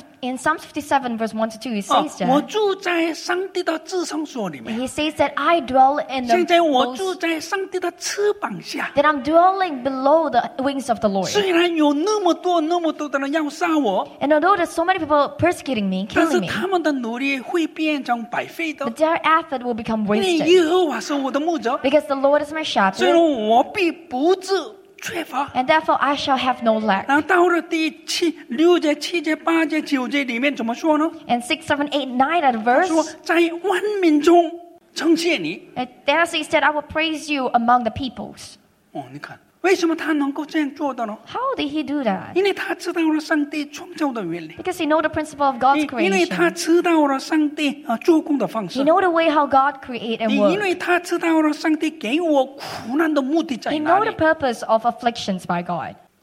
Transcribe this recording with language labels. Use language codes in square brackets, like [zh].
[en] In Psalms 57 verse 1 to 2 he says that [zh] 我住在上帝的至圣所里面。 [en] He says that I dwell in the [zh] 现在我住在上帝的翅膀下。 [en] That I'm dwelling below the wings of the Lord. [zh] 虽然有那么多的人要杀我。 [en] And although there's so many people persecuting me, killing me. [zh] 努力会变成白费的 [en] their effort will become wasted because the Lord is my shepherd [zh] 所以我必不致缺乏 [en] and therefore I shall have no lack [zh] 然后到了第六节七节八节九节里面怎么说呢 [en] and 6, 7, 8, 9 at verse [zh] 说在万民中称谢你 [en] there he said I will praise you among the peoples [zh] 哦你看 为什么他能够这样做的呢? [en] How did he do that? [zh] 因为他知道了上帝创造的原理 [en] Because he knows the principle of God's creation [zh] 因为他知道了上帝做工的方式 [en] He knows the way how God created and worked [zh] 因为他知道了上帝给我苦难的目的在哪里 [en] He knows the purpose of afflictions by God